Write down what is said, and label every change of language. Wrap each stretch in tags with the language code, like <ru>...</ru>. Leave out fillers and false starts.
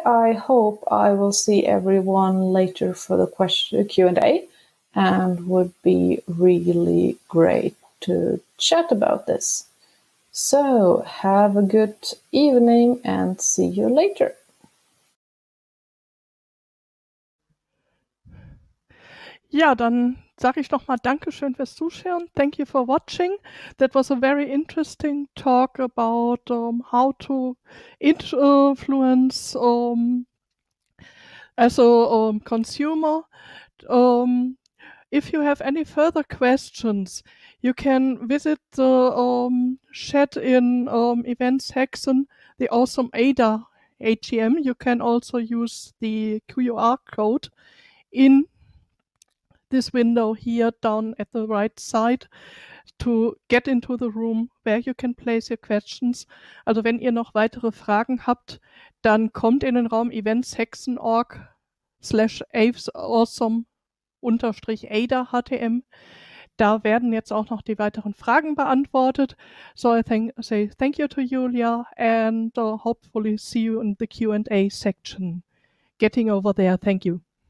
<en>I hope I will see everyone later for the question Q&A, and would be really great to chat about this. So have a good evening and see you later.</en> <de>Ja, dann sage ich nochmal Dankeschön fürs Zuschauen.</de> <en>Thank you for watching. That was a very interesting talk about how to influence as a consumer. If you have any further questions, you can visit the chat in Events Hexen, the awesome ADA AGM. You can also use the QR code in this window here down at the right side to get into the room where you can place your questions.</en> <de>Also wenn ihr noch weitere Fragen habt, dann kommt in den Raum eventshexen.org/awesome_ada_htm. Da werden jetzt auch noch die weiteren Fragen beantwortet.</de> <en>So I say thank you to Julia and hopefully see you in the Q&A section. Getting over there, thank you.</en>